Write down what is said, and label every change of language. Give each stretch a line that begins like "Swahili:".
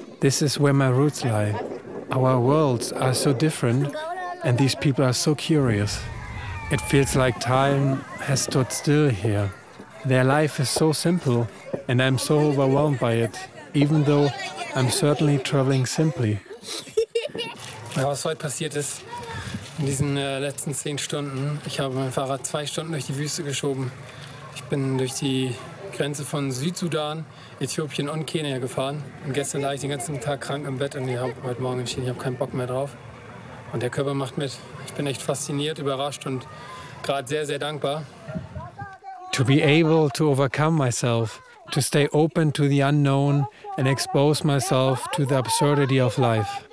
English: This is where my roots lie. Our worlds are so different, and these people are so curious. It feels like time has stood still here. Their life is so simple, and I'm so overwhelmed by it, even though I'm certainly traveling simply.
German: Was heute passiert ist, in diesen letzten 10 Stunden, ich habe mein Fahrrad 2 Stunden durch die Wüste geschoben. Ich bin durch die Grenze von Südsudan, Äthiopien und Kenia gefahren. Und gestern lag ich den ganzen Tag krank im Bett und ich habe heute Morgen entschieden, ich habe keinen Bock mehr drauf. Und der Körper macht mit. Ich bin echt fasziniert, überrascht und gerade sehr, sehr dankbar.
English: To be able to overcome myself, to stay open to the unknown and expose myself to the absurdity of life.